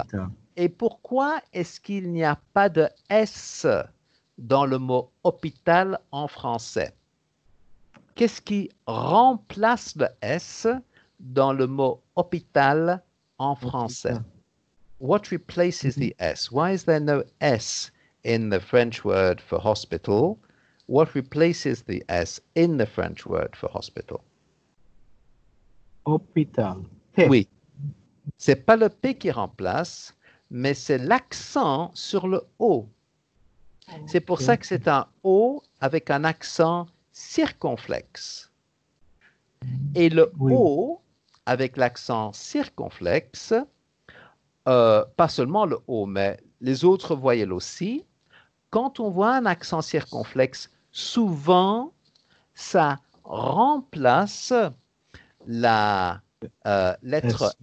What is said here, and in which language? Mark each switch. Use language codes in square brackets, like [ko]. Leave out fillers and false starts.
[fr] hôpital. Et pourquoi est-ce qu'il n'y a pas de S dans le mot hôpital en français? Qu'est-ce qui remplace le S dans le mot hôpital en français? Hôpital. [en] What replaces the S? Why is there no S in the French word for hospital? What replaces the S in the French word for hospital? [fr] Hôpital. Oui, c'est pas le P qui remplace, mais c'est l'accent sur le O. C'est pour ça que c'est un O avec un accent circonflexe. Et le Oui. O avec l'accent circonflexe, pas seulement le O, mais les autres voyelles aussi, quand on voit un accent circonflexe, souvent, ça remplace la lettre